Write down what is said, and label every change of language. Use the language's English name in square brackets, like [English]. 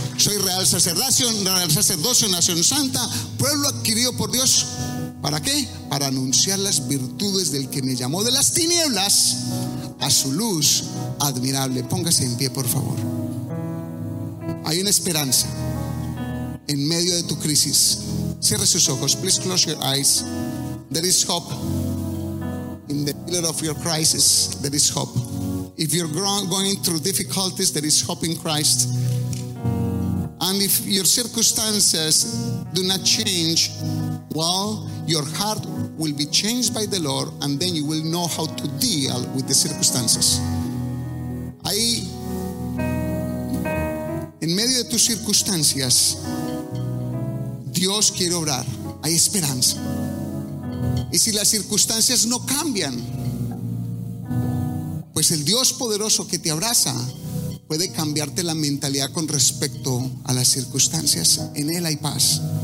[Spanish] Soy real sacerdocio, nación santa, pueblo adquirido por Dios. ¿Para qué? Para anunciar las virtudes del que me llamó de las tinieblas a su luz admirable. Póngase en pie, por favor. Hay una esperanza en medio de tu crisis. Cierre sus ojos. [English] Please close your eyes. There is hope. In the middle of your crisis, there is hope. If you're going through difficulties, there is hope in Christ. And if your circumstances do not change, well, your heart will be changed by the Lord, and then you will know how to deal with the circumstances. [Spanish] Ahí, en medio de tus circunstancias, Dios quiere obrar. Hay esperanza. Y si las circunstancias no cambian, pues el Dios poderoso que te abraza puede cambiarte la mentalidad con respecto a las circunstancias. En Él hay paz.